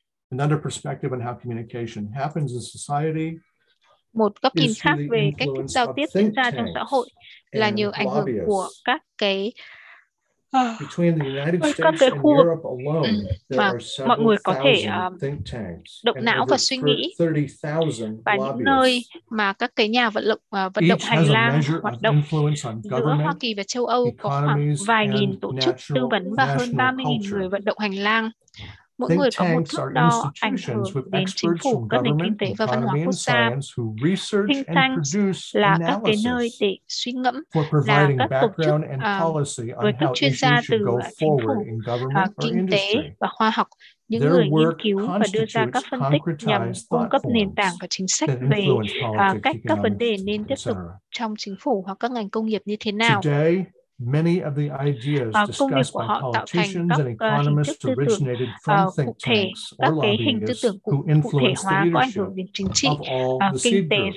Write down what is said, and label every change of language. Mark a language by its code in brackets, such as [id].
[en] Another perspective on how communication happens in society. [vi] Một góc nhìn khác về cách thức giao tiếp diễn ra trong xã hội là nhờ ảnh hưởng của các cái [en] between the United States and Europe alone, there are several thousand think tanks, [vi] động não và suy nghĩ, và những nơi mà các cái nhà vận động hành lang hoạt động. Giữa Hoa Kỳ và châu Âu có khoảng vài nghìn tổ chức tư vấn và hơn 30,000 người vận động hành lang. Mỗi người có một thước đo ảnh hưởng đến chính phủ, các nền kinh tế và văn hóa quốc gia. Think tanks là các cái nơi để suy ngẫm, là các tổ chức với các chuyên gia từ chính phủ, kinh tế và khoa học, những người nghiên cứu và đưa ra các phân tích nhằm cung cấp nền tảng và chính sách về cách các vấn đề nên tiếp tục trong chính phủ hoặc các ngành công nghiệp như thế nào. [en] Many of the ideas discussed by politicians and economists originated from think tanks or lobbyists who influenced the leadership of all the seed groups.